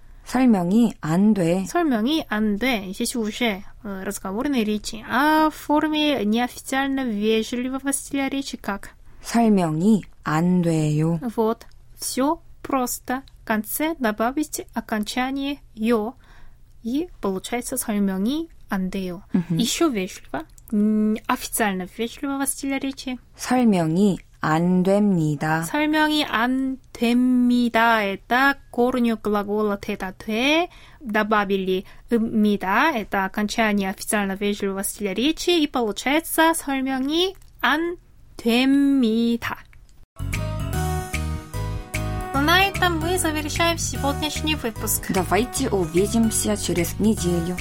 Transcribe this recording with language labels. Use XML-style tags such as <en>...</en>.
<ko>설명이 안 돼. 설명이 안 돼.</ko> <ru>Здесь уже разговорной речи. А в форме неофициально вежливого стиля речи как?</ru> <ko>설명이 안 돼요.</ko> <ru>Вот. Все просто. В конце добавить окончание «ё». И получается</ru> <ko>설명이 안 돼요.</ko> <ru>Еще вежливо. Официально вежливого стиля речи.</ru> <ko>설명이 안 됩니다. 설명이 안 됩니다.</ko> <ru>Это корню глагола «되다», «돼». Добавили «입니다». Это окончание официально вежливого стиля речи. И получается</ru> <ko>설명이 안 됩니다.</ko> <ru>На этом мы завершаем сегодняшний выпуск. Давайте увидимся через неделю.</ru>